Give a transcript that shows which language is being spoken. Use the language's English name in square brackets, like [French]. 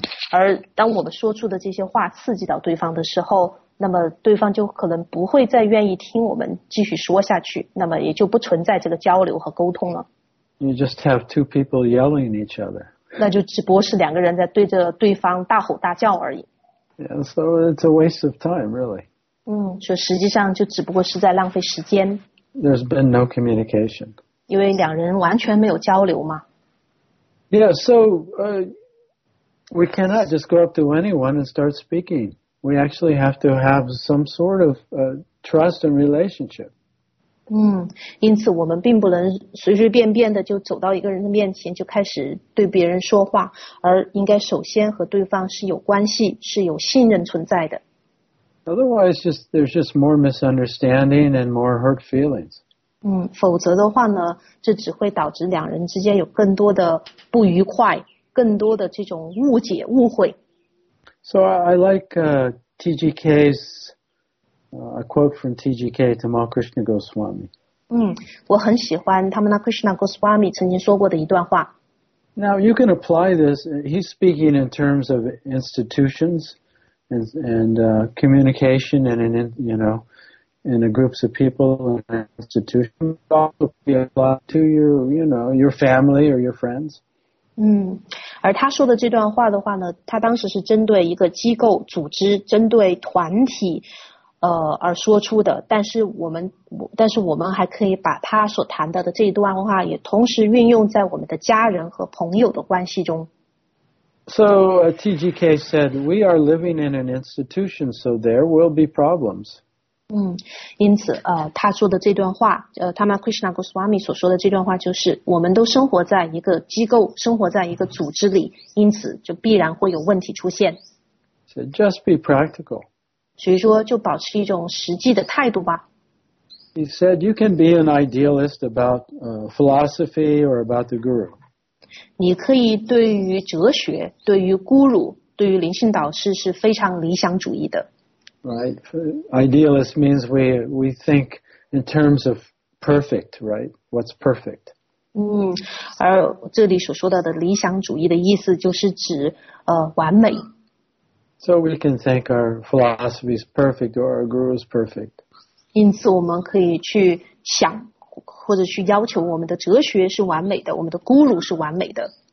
[Chinese] 而当我们说出的这些话刺激到对方的时候，那么对方就可能不会再愿意听我们继续说下去，那么也就不存在这个交流和沟通了。 [English] You just have two people yelling at each other. [Chinese] 那就只不过是两个人在对着对方大吼大叫而已。 [English] Yeah, so it's a waste of time, really. [Chinese] 所以实际上就只不过是在浪费时间。 [English] There's been no communication. [Chinese] 因为两人完全没有交流嘛。 [English] Yeah, so we cannot just go up to anyone and start speaking. We actually have to have some sort of trust and relationship. [Chinese] 因此我们并不能随随便便的就走到一个人的面前就开始对别人说话，而应该首先和对方是有关系，是有信任存在的。 [English] Otherwise, there's just more misunderstanding and more hurt feelings. [Chinese] 否则的话呢，这只会导致两人之间有更多的不愉快，更多的这种误解、误会。 [English] So I like TGK's. A quote from TGK, Tamal Krishna Goswami. [Chinese] 我很喜欢 Tamal Krishna Goswami 曾经说过的一段话。 [English] Now, you can apply this. He's speaking in terms of institutions communication and, in the groups of people and institutions. It can also be applied to your family or your friends. [Chinese] 而他说的这段话的话呢，他当时是针对一个机构、组织，针对团体。而说出的，但是我们还可以把他所谈到的这一段话也同时运用在我们的家人和朋友的关系中。 [English] So TGK said, we are living in an institution, so there will be problems. [Chinese] 因此他说的这段话Tamal Krishna Goswami 所说的这段话就是，我们都生活在一个机构，生活在一个组织里，因此就必然会有问题出现。 [English] So just be practical. [Chinese] 所以说就保持一种实际的态度吧。 [English] He said you can be an idealist about philosophy or about the guru. [Chinese] 你可以对于哲学、对于 guru、对于灵性导师是非常理想主义的。 [English] Right. Idealist means we think in terms of perfect, right? What's perfect? [Chinese] 而这里所说到的理想主义的意思就是指完美。 [English] So we can think our philosophy is perfect or our guru is perfect. [Chinese] 因此我们可以去想或者去要求我们的哲学是完美的，我们的孤儒是完美的。